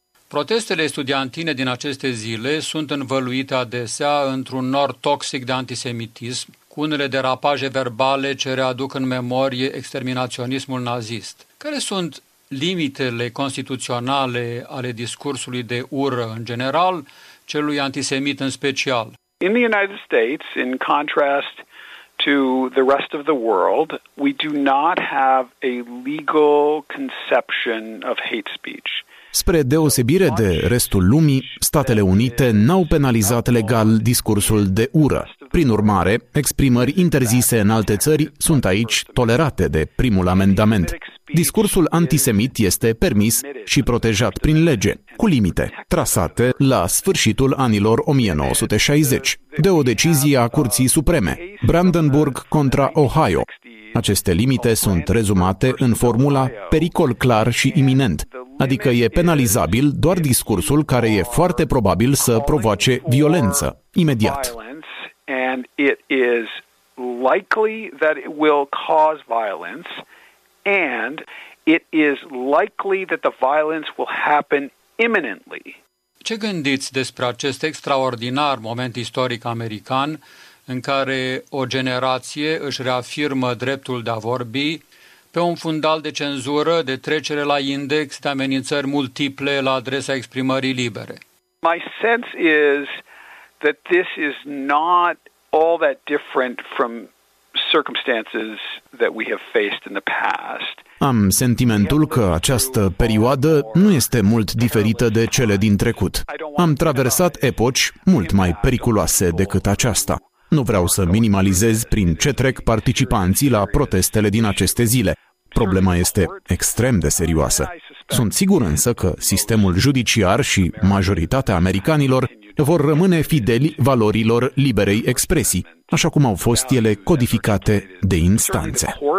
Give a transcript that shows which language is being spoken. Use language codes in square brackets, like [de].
[ro] Protestele studentine din aceste zile sunt învăluite adesea într-un nor toxic de antisemitism, cu unele derapaje verbale ce readuc în memorie exterminaționismul nazist. Care sunt limitele constituționale ale discursului de ură în general, celui antisemit în special? [en] In the United States, in contrast to the rest of the world, we do not have a legal conception of hate speech. [ro] Spre deosebire de restul lumii, Statele Unite n-au penalizat legal discursul de ură. Prin urmare, exprimări interzise în alte țări sunt aici tolerate de primul amendament. Discursul antisemit este permis și protejat prin lege, cu limite, trasate la sfârșitul anilor 1960, de o decizie a Curții Supreme, Brandenburg contra Ohio. Aceste limite sunt rezumate în formula pericol clar și iminent, adică e penalizabil doar discursul care e foarte probabil să provoace violență imediat. [en] And it is likely that it will cause violence, and it is likely that the violence will happen imminently. [ro] Ce gândiți despre acest extraordinar moment istoric american în care o generație își reafirmă dreptul de a vorbi pe un fundal de cenzură, de trecere la index, de amenințări multiple la adresa exprimării libere? [en] My sense is that this is not all that different from circumstances that we have faced in the past. [ro] Am sentimentul că această perioadă nu este mult diferită de cele din trecut. Am traversat epoci mult mai periculoase decât aceasta. Nu vreau să minimalizez prin ce trec participanții la protestele din aceste zile. Problema este extrem de serioasă. Sunt sigur însă că sistemul judiciar și majoritatea americanilor vor rămâne fideli valorilor liberei expresii, așa cum au fost ele codificate de instanțe.